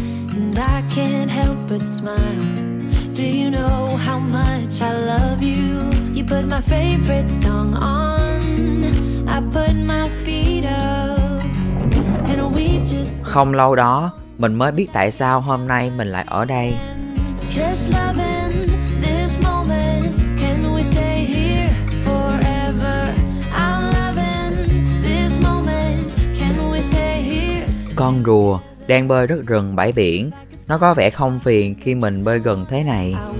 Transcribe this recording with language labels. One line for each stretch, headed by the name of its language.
English: And I can't help but smile. Do you know how much I love you? You put my favorite song on. I put my feet up. And we just.
Vietnamese: Không lâu đó, mình mới biết tại sao hôm nay mình lại ở đây.
English: Just loving this moment. Can we stay here forever? I'm loving this moment. Can we stay here?
Vietnamese: Con rùa đang bơi rất gần bãi biển. Nó có vẻ không phiền khi mình bơi gần thế này.